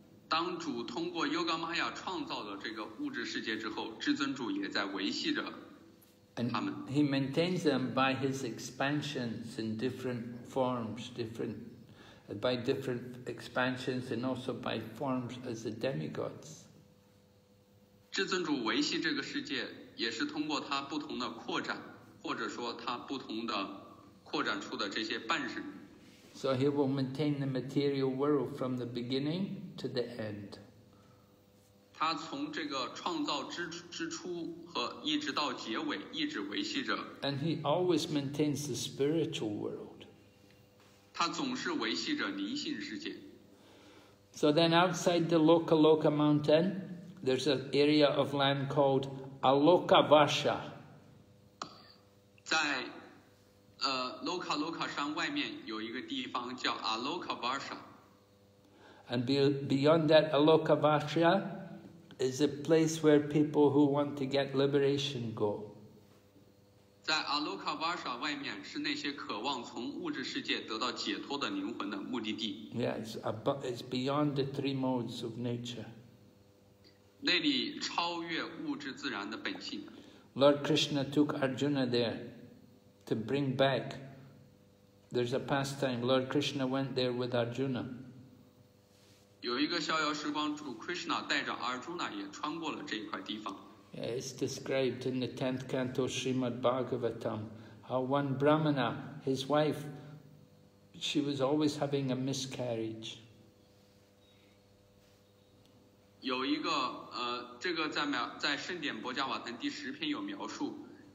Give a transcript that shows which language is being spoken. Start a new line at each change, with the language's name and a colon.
Chinese: 当主通过 Yoga Maya 创造了这个物质世界之后，至尊主也在维系着他们。
English: He maintains them by his expansions in different forms, different expansions and also by forms as the demigods.
Chinese: 至尊主维系这个世界，也是通过他不同的扩展，或者说他不同的扩展出的这些半身。
English: So he will maintain the material world from the beginning to the end.
Chinese: 他从这个创造之初和一直到结尾一直维系着。
English: And he always maintains the spiritual world.
Chinese: 他总是维系着灵性世界。
English: So then outside the Loka mountain, there's an area of land called Alokavasa.
Chinese: 在Loka 山外面有一个地方叫 Alokavasa.
English: And beyond that Alokavasa is a place where people who want to get liberation go.
Chinese: 在 Alokavasa 外面是那些渴望从物质世界得到解脱的灵魂的目的地。
English: Yes, it's beyond the three modes of nature.
Chinese: 那里超越物质自然的本性。
English: Lord Krishna took Arjuna there. To bring back, there's a pastime. Lord Krishna went there with Arjuna.
Chinese: 有一个逍遥时光，主 Krishna 带着 Arjuna 也穿过了这一块地方。
English: It's described in the 10th canto Srimad Bhagavatam how one Brahmana, his wife, she was always having a miscarriage.
Chinese: 有一个这个在圣典薄伽瓦坛第十篇有描述。